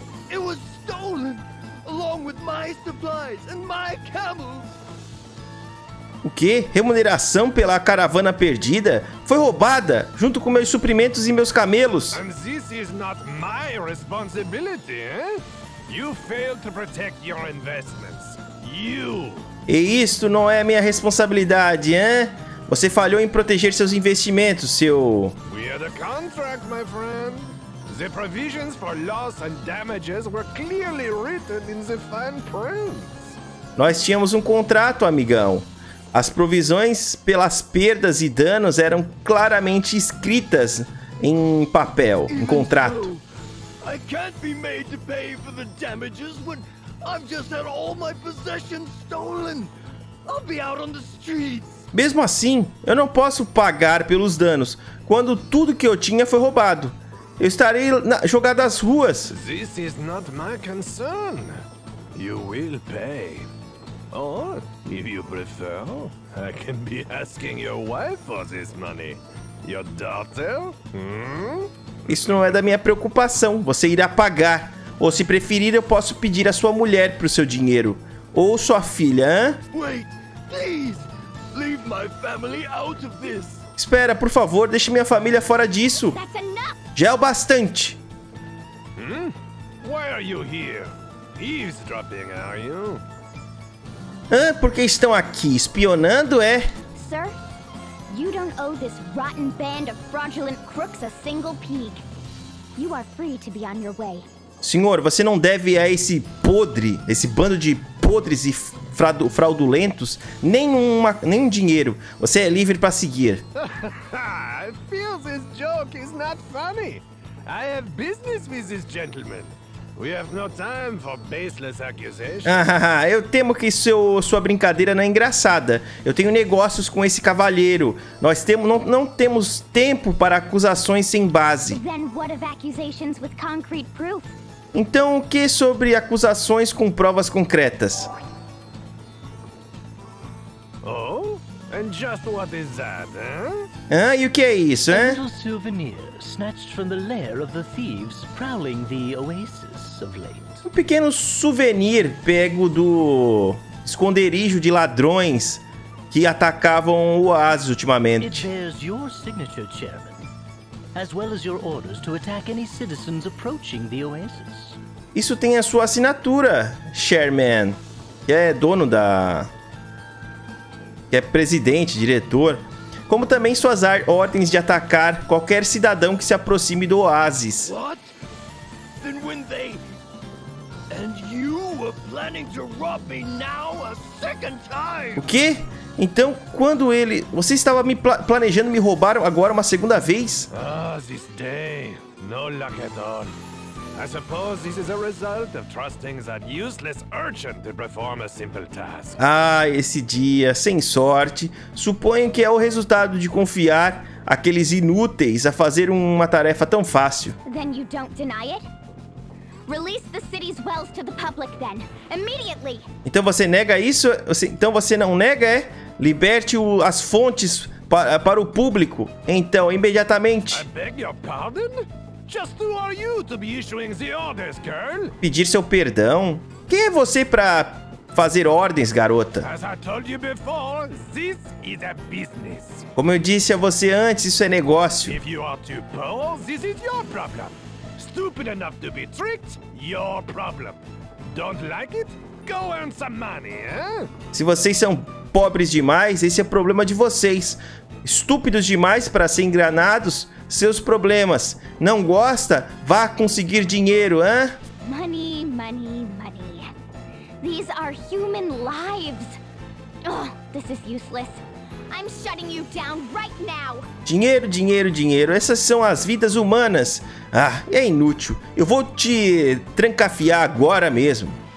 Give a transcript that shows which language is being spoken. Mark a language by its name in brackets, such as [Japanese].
[English] It was stolen along with my supplies and my camels. [Portuguese] O quê? Remuneração pela caravana perdida? Foi roubada junto com meus suprimentos e meus camelos. [English] And this is not my responsibility, eh? You failed to protect your investments. You. [Portuguese] E isto não é minha responsabilidade, hein? Você falhou em proteger seus investimentos, seu... [English] We had a contract, my friend. The provisions for loss and damages were clearly written in the fine print. [Portuguese] Nós tínhamos um contrato, amigão. As provisões pelas perdas e danos eram claramente escritas em papel, em contrato. [English] I can't be made to pay for the damages when I've just had all my possessions stolen. I'll be out on the streets. [Portuguese] Mesmo assim, eu não posso pagar pelos danos quando tudo que eu tinha foi roubado. Eu estarei jogado às ruas. [English] This is not my concern. You will pay. Or, if you prefer, I can be asking your wife for this money. Your daughter? [Portuguese] Isso não é da minha preocupação. Você irá pagar. Ou, se preferir, eu posso pedir a sua mulher pro seu dinheiro. Ou sua filha, hã? [English] Wait, please! Leave my family out of this! [Portuguese] Espera, por favor, deixe minha família fora disso. Já é o bastante. [English] Why are you here? Eavesdropping, are you? [Portuguese] Hã? Por que estão aqui? Espionando, é? [English] Sir? You don't owe this rotten band of fraudulent crooks a single peak. You are free to be on your way. [Portuguese] Senhor, você não deve a esse podre, esse bando de podres e fraudulentos, nenhum dinheiro. Você é livre para seguir. [English] I feel this joke is not funny. I have business with this gentleman. We have no time for baseless accusations. [Portuguese] Eu temo que sua brincadeira não é engraçada. Eu tenho negócios com esse cavalheiro. Nós temos não temos tempo para acusações sem base. [English] Then what of accusations with concrete proof? [Portuguese] Então o que sobre acusações com provas concretas? [English] Oh, and just what is that, [Portuguese] huh? E o que é isso, hein? [English] A little souvenir snatched from the lair of the thieves prowling the oasis. [Portuguese] Um pequeno souvenir pego do esconderijo de ladrões que atacavam o oásis ultimamente. [English] It bears your signature, Chairman, as well as your orders to attack any citizens approaching the oasis. [Portuguese] Isso tem a sua assinatura, Chairman, que é dono da... que é presidente, diretor. Como também suas ordens de atacar qualquer cidadão que se aproxime do oásis. [English] What? Then when they... And you were planning to rob me now a second time. [Portuguese] O quê? Então, quando ele... Você estava me planejando me roubar agora uma segunda vez? [English] Ah, this day. No luck at all. I suppose this is a result of trusting that useless urchin to perform a simple task. [Portuguese] Ah, esse dia, sem sorte. Suponho que é o resultado de confiar aqueles inúteis a fazer uma tarefa tão fácil. [English] Then you don't deny it? Release the city's wells to the public then, immediately. [Portuguese] Então você nega isso? Então você não nega, é? Liberte as fontes para o público, então, imediatamente. [English] I beg your pardon? Just who are you to be issuing the orders, girl? [Portuguese] Pedir seu perdão? Quem é você para fazer ordens, garota? [English] As I told you before, this is a business. [Portuguese] Como eu disse a você antes, isso é negócio. [English] If you are too poor, this is your problem. Stupid enough to be tricked, your problem. Don't like it? Go earn some money, eh? [Portuguese] Se vocês são pobres demais, esse é problema de vocês. Estúpidos demais para ser enganados, seus problemas. Não gosta? Vá conseguir dinheiro, hã? [English] Money, money, money. These are human lives. Oh, this is useless. I'm shutting you down right now. [Portuguese] Dinheiro, dinheiro, dinheiro. Essas são as vidas humanas. Ah, é inútil. Eu vou te trancafiar agora mesmo.